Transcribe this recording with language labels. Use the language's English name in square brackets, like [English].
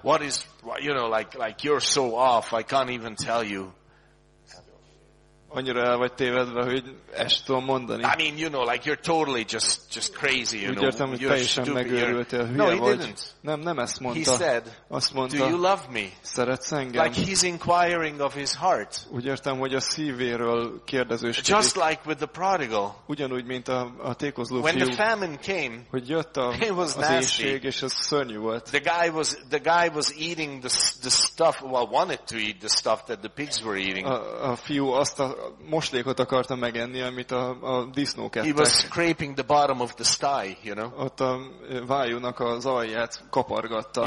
[English] what is, you know, like you're so off, I can't even tell you. [Hungarian] annyira el vagy tévedve, hogy ezt tudom mondani. [English] I mean, you know, like you're totally just crazy, you [Hungarian] úgy értem, [English] know. [Hungarian] Hogy teljesen megőrültél, hülye [English] no, [Hungarian] vagy. [English] Didn't. [Hungarian] Nem ezt mondta. [English] He said, [Hungarian] azt mondta, [English] do you love me? [Hungarian] Szeretsz engem? [English] Like he's inquiring of his heart. [Hungarian] Úgy értem, hogy a szívéről kérdezősködik. [English] Just like with the prodigal. [Hungarian] Ugyanúgy, mint a tékozló fiú. [English] When the famine came, [Hungarian] hogy jött az éhség, és ez szörnyű volt. [English] The guy was eating the stuff, well, wanted to eat the stuff that the pigs were eating. [Hungarian] A fiú azt a moslékot akarta megenni, amit a disznók ettek. [English] He was scraping the bottom of the sty, you know. [Hungarian] Ott a vájúnak az alját kapargatta.